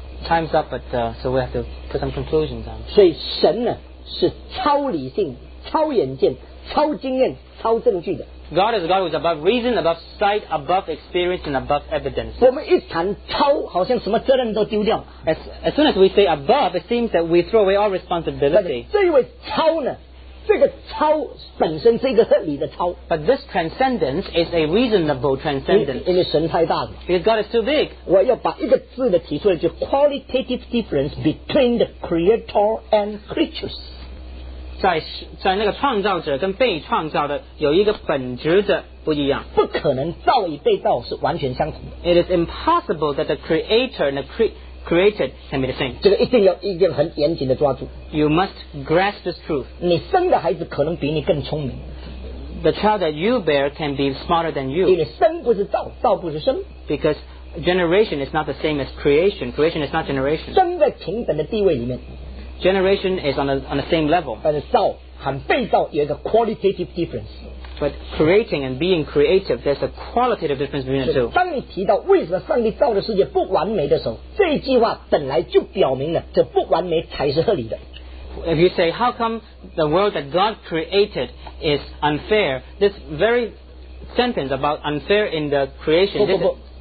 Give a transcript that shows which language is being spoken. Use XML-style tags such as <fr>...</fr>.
<en>Time's up, but so we have to put some conclusions on.</en> <zh>所以神呢是超理性、超眼见、超经验、超证据的。</zh> <en>God is God who is above reason, above sight, above experience, and above evidence.</en> <zh>我们一谈超，好像什么责任都丢掉。</zh> <en>As soon as we say above, it seems that we throw away all responsibility.</en> <zh>这一位超呢，这个超本身是一个合理的超。</zh> <en>But this transcendence is a reasonable transcendence.</en> <zh>因为神太大了。</zh> <en>Because God is too big.</en> <zh>我要把一个字的提出来，就</zh> <en>qualitative difference between the creator and creatures.</en> <zh>在那个创造者跟被创造的有一个本质的不一样，不可能造与被造是完全相同的。</zh> <en>It is impossible that the creator and the created can be the same.</en> <zh>这个一定很严谨的抓住。</zh> <en>You must grasp this truth.</en> <zh>你生的孩子可能比你更聪明。</zh> <en>The child that you bear can be smarter than you.</en> <zh>因为生不是造，造不是生。</zh> <en>Because generation is not the same as creation. Creation is not generation.</en> <zh>生在平等的地位里面。</zh> <en>Generation is on the same level.</en> <zh>但是造和被造有一个</zh> <en>qualitative difference. But creating and being creative, there's a qualitative difference between the two.</en> <zh>当你提到为什么上帝造的世界不完美的时候，这一句话本来就表明了这不完美才是合理的。</zh> <en>If you say how come the world that God created is unfair, this very sentence about unfair in the creation</en>